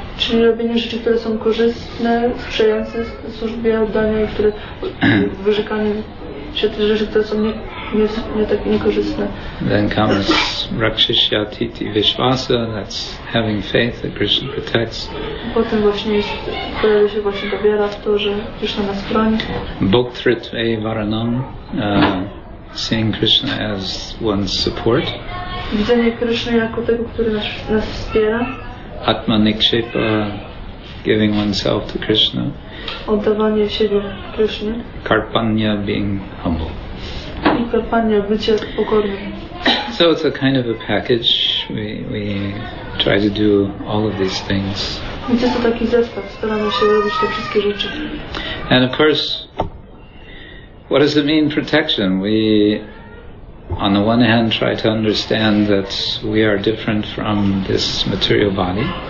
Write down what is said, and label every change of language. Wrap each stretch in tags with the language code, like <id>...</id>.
<pl>Czyli robienie rzeczy, które są korzystne, sprzyjające służbie oddania, które wyrzekanie się tych rzeczy, które są nie tak niekorzystne.</pl> <en>Then comes</en> <sa>rakshishya titi vishvasa,</sa> <en>that's having faith that Krishna protects.</en> <pl>Potem właśnie pojawia się właśnie ta wiara w to, że Krishna nas chroni.</pl> <sa>Bhoktritve varanam.</sa> <en>Seeing Krishna as one's support.</en> <pl>Widzenie Krishna jako tego, który nas wspiera.</pl> <en>Atma nikshepa, giving oneself to Krishna.</en> <pl>Oddawanie siebie Krishna.</pl> <en>Karpanya, being humble.</en> <pl>I karpanya, bycie pokornym.</pl> <en>So it's a kind of a package. We try to do all of these things.</en> <pl>Więc jest to taki zestaw. Staramy się robić te wszystkie rzeczy.</pl> <en>And of course, what does it mean, protection? We, on the one hand, try to understand that we are different from this material body.</en>